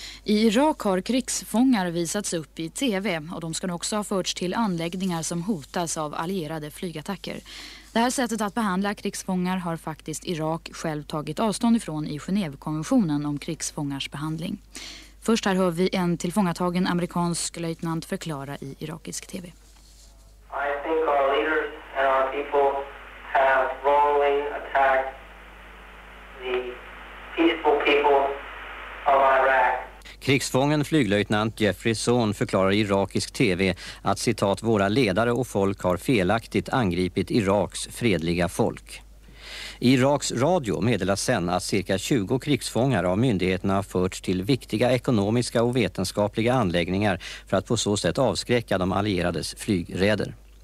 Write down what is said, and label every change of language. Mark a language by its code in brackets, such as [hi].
[sv] I Irak har krigsfångar visats upp i TV och de ska nu också ha förts till anläggningar som hotas av allierade flygattacker. Det här sättet att behandla krigsfångar har faktiskt Irak själv tagit avstånd ifrån i Genèvekonventionen om krigsfångars behandling. Först här hör vi en tillfångatagen amerikansk löjtnant förklara i irakisk TV. [en] I think our leaders and our people have wrongly attacked the peaceful people of Iraq. [sv] Krigsfången flyglöjtnant Jeffrey Zorn förklarar i irakisk TV att, citat, våra ledare och folk har felaktigt angripit Iraks fredliga folk. I Iraks radio meddelas sen att cirka 20 krigsfångar av myndigheterna har förts till viktiga ekonomiska och vetenskapliga anläggningar för att på så sätt avskräcka de allierades flygräder.